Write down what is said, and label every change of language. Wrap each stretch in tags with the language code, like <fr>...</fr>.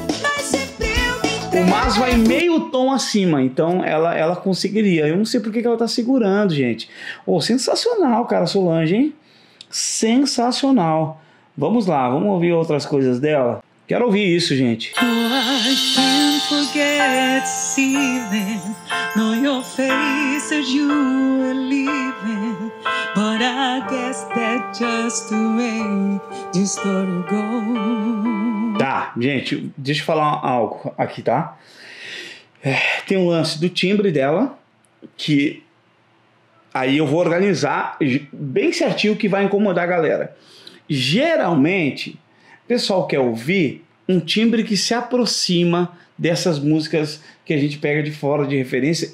<pt>Mas sempre eu me entrego. O Mas vai meio tom acima, então ela conseguiria. Eu não sei por que ela tá segurando, gente. Oh, sensacional, cara, Solange, hein? Sensacional. Vamos lá, vamos ouvir outras coisas dela. Quero ouvir isso, gente.</pt> <en>I can't forget seeing no your face as you were leaving. But I guess that's just the way the story goes.</en> <pt>Tá, gente, deixa eu falar algo aqui, tá? Tem um lance do timbre dela que aí eu vou organizar bem certinho o que vai incomodar a galera. Geralmente, o pessoal quer ouvir um timbre que se aproxima dessas músicas que a gente pega de fora de referência.</pt>